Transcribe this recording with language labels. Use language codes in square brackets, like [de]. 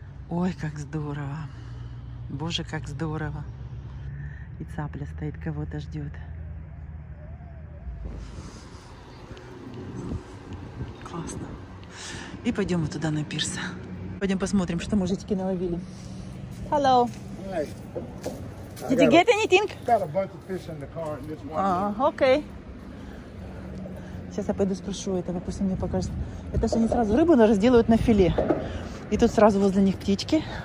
[ru] Ой, как здорово. Боже, как здорово. И цапля стоит, кого-то ждет. Классно. И пойдем вот туда на пирс. Пойдем посмотрим, что мужички наловили. [en] Hello. Hi. Did you get anything? Got a bunch of fish in the car. Okay. [ru] Сейчас я пойду спрошу этого, пусть он мне покажет. Это же они сразу рыбу разделают на филе. И тут сразу возле них птички.